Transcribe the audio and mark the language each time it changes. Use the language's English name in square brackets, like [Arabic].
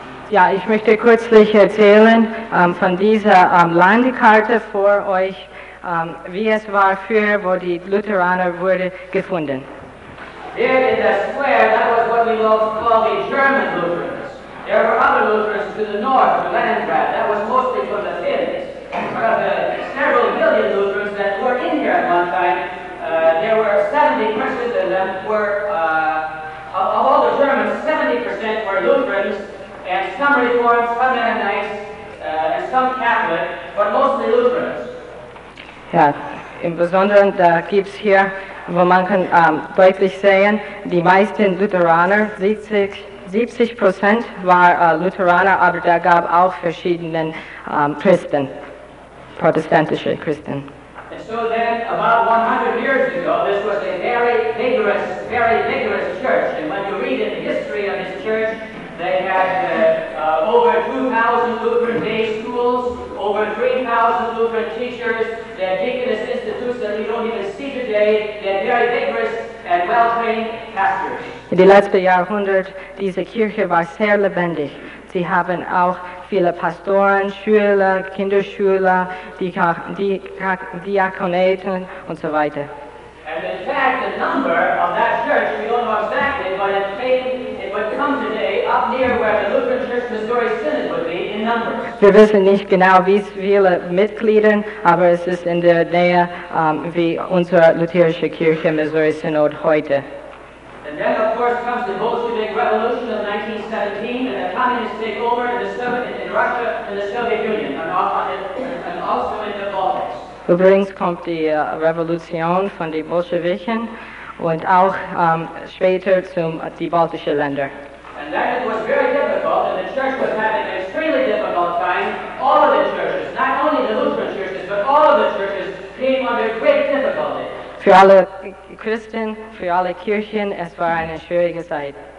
[German] Ja, ich möchte kürzlich erzählen von dieser Landkarte für euch, wie es war früher, wo die Lutheraner wurde gefunden. [English] There in the square, that was what we most call the German Lutherans. There were other Lutherans to the north, to Leningrad. That was mostly from the Finns. Out of the several million Lutherans that were in here at one time, there were 70% of them were, of all the Germans, 70% were Lutherans. And some Reformed, some Mennonites, and some Catholic, but mostly Lutherans. [German] Ja, im Besonderen, da gibt es hier, wo man kann deutlich sehen, die meisten Lutheraner, 70% waren Lutheraner, aber da gab auch verschiedene Christen, protestantische Christen. [English] And so then, about 100 years ago, this was a very vigorous church. And when you read in the history of this church, they had over 2,000 Lutheran day schools, over 3,000 Lutheran teachers, their deaconess institutes that we don't even see today, their very vigorous and well-trained pastors. In the last [German] Jahrhundert, diese Kirche war sehr lebendig. Sie haben auch viele Pastoren, Schüler, Kinderschüler, Diakonaten und so weiter. [English] And in fact, the number of that church, we don't know exactly, but it came, it would come today up near where the Lutheran Church Missouri Synod would be in numbers. [German] Wir wissen nicht genau, wie viele Mitglieder, aber es ist in der Nähe wie unsere lutherische Kirche Missouri Synod heute. [English] And then, of course, comes the Bolshevik Revolution of 1917, and the communists take over in the Soviet, in Russia, in the Soviet Union, and also in the Baltics. [German] Übrigens kommt die Revolution von den Bolschewiken und auch später zum die baltische Länder. [English] And then it was very difficult, and the church was having an extremely difficult time. All of the churches, not only the Lutheran churches, but all of the churches came under great difficulty. [German] Für alle Christen, für alle Kirchen, es war eine schwierige Zeit.